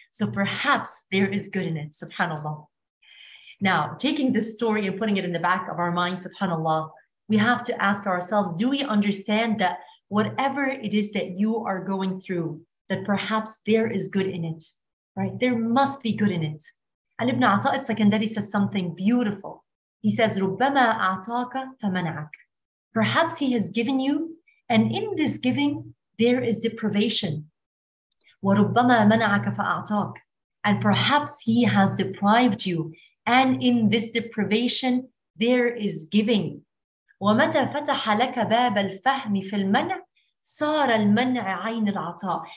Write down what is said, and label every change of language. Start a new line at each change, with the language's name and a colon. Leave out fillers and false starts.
English: So perhaps there is good in it, subhanAllah. Now, taking this story and putting it in the back of our minds, subhanAllah, We have to ask ourselves, do we understand that whatever it is that you are going through, that perhaps there is good in it, right? There must be good in it. And Ibn Ata al-Sakandari says something beautiful. He says,
Arabic: رُبَّمَا أَعْطَاكَ فَمَنَعَكَ.
English: Perhaps he has given you, and in this giving, there is deprivation.
Arabic: وَرُبَّمَا مَنَعَكَ فَأَعْطَاكَ.
English: And perhaps he has deprived you, and in this deprivation, there is giving.
Arabic: وَمَتَى فَتَحَ لَكَ بَابَ الْفَهْمِ فِي الْمَنْعِ صَارَ الْمَنْعِ عَيْنِ الْعَطَاءِ.